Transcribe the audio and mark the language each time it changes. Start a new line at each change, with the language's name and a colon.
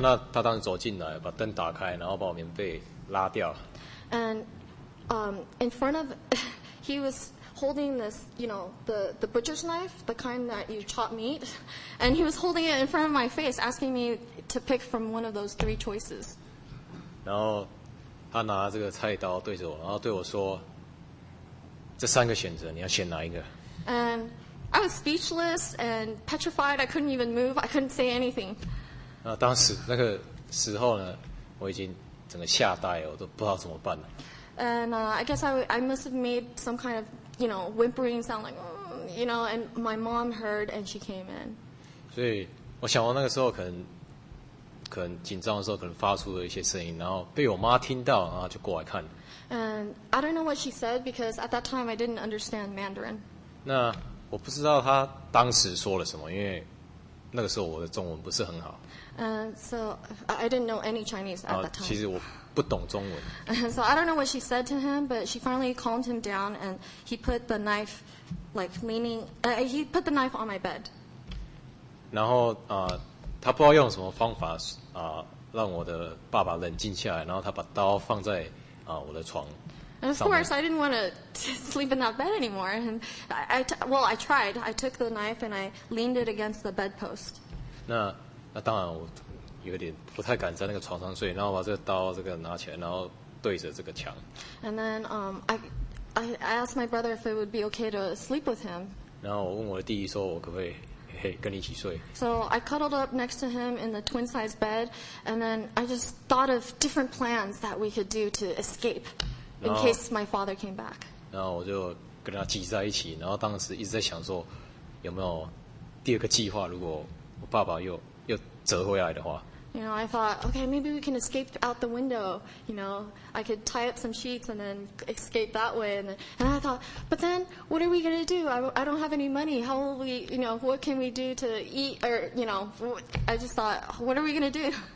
Chinese: 那他当时走进来，把灯打开，然后把我棉被拉掉。
English: And in front of, he was holding this, you know, the butcher's knife, the kind that you chop meat, and he was holding it in front of my face, asking me to pick from one of those three choices.
Chinese: 然后他拿这个菜刀对着我，然后对我说：“这三个选择，你要选哪一个？”
English: And I was speechless and petrified. I couldn't even move. I couldn't say anything.
Chinese: 啊，当时那个时候呢，我已经整个吓呆了，我都不知道怎么办了。
English: And I guess I must have made some kind of, you know, whimpering sound, like, you know. And my mom heard, and she came in.
Chinese: 所以我想到那个时候，可能可能紧张的时候可能发出了一些声音，然后被我妈听到，然后就过来看。
English: And I don't know what she said because at that time I didn't understand Mandarin.
Chinese: 那我不知道她当时说了什么，因为那个时候我的中文不是很好。
English: So I didn't know any Chinese at that time.
Chinese: 其实我不懂中文。
English: So I don't know what she said to him, but she finally calmed him down and he put the knife, like leaning, he put the knife on my bed.
Chinese: 然后他不知道用什么方法让我的爸爸冷静下来，然后他把刀放在我的床。
English: And of course, I didn't want to sleep in that bed anymore. And I tried. I took the knife and I leaned it against the bedpost.
Chinese: 那当然我有点不太敢在那个床上睡，然后把这个刀这个拿起来，然后对着这个墙。
English: And then I asked my brother if it would be okay to sleep with him.
Chinese: 然后我问我的弟弟说，我可不可以跟你一起睡。
English: So I cuddled up next to him in the twin size bed, and then I just thought of different plans that we could do to escape in case my father came back.
Chinese: 然后我就跟他挤在一起，然后当时一直在想说有没有第二个计划，如果我爸爸又折回来的话。
English: You know, I thought, okay, maybe we can escape out the window. You know, I could tie up some sheets and then escape that way. And I thought, but then what are we going to do? I don't have any money. How will we, you know, what can we do to eat? Or, you know, I just thought, what are we going to do?